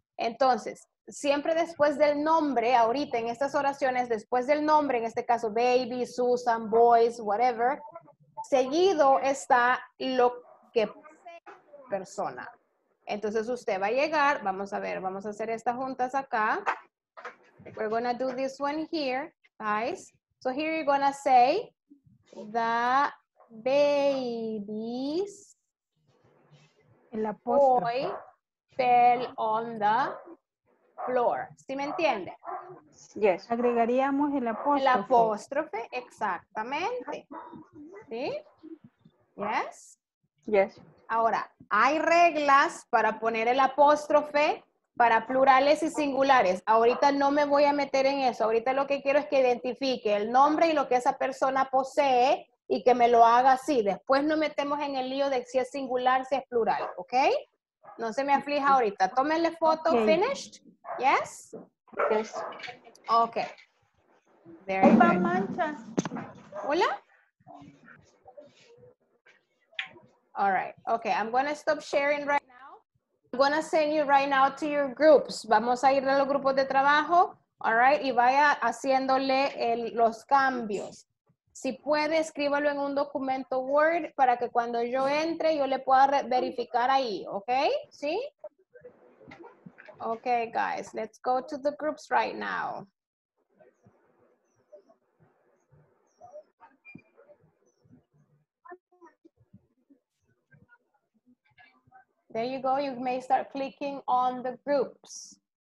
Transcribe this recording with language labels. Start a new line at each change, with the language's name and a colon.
Spanish: Entonces, siempre después del nombre, ahorita en estas oraciones, después del nombre, en este caso, baby, Susan, boys, whatever, seguido está lo que persona. Entonces, usted va a llegar, vamos a ver, vamos a hacer estas juntas acá.
English: We're going to do this one here, guys. So here you're going to say, the baby's toy fell on the floor.
Spanish: ¿Sí me entiende?
English: Yes.
Spanish: Agregaríamos el apóstrofe. El apóstrofe, exactamente. ¿Sí?
English: Yes. Yes.
Spanish: Ahora, hay reglas para poner el apóstrofe para plurales y singulares. Ahorita no me voy a meter en eso. Ahorita lo que quiero es que identifique el nombre y lo que esa persona posee y que me lo haga así. Después nos metemos en el lío de si es singular, si es plural, ¿ok? No se me aflija ahorita. Tómenle foto.
English: Okay. Finished. Yes. Yes. Okay. Very good. Mancha.
Spanish: Hola.
English: All right. Okay. I'm gonna stop sharing right now. I'm gonna send you right now to your groups.
Spanish: Vamos a ir a los grupos de trabajo.
English: All right.
Spanish: Y vaya haciéndole los cambios. Si puede, escríbalo en un documento Word para que cuando yo entre, yo le pueda verificar ahí, ¿ok? ¿Sí?
English: Ok, guys, let's go to the groups right now. There you go, you may start clicking on the groups.